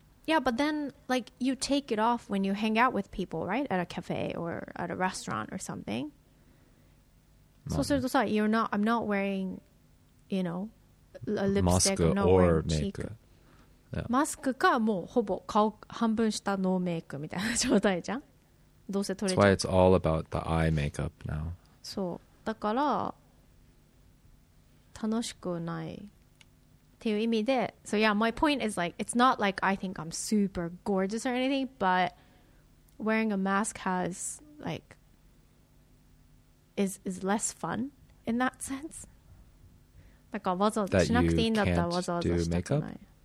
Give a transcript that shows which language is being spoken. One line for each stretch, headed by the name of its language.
English: Yeah, but then, like, you take it off when you hang out with people, right? At a cafe or at a restaurant or something. So, so, so, you're not, I'm not wearing, you know, a lipstick or makeup.
Japanese: Mask か、もうほぼ顔半分したノーメイクみたいな状態じゃん。どうせ取れちゃう。
English: That's why it's all about the eye makeup now.
Japanese: そう。だから、楽しくない。っていう意味で、
English: so yeah, my point is like, it's not like I think I'm super gorgeous or anything, but wearing a mask has like, is less fun in that sense.
Japanese: だからわざわざしなくていいんだったらわざわざしたくない。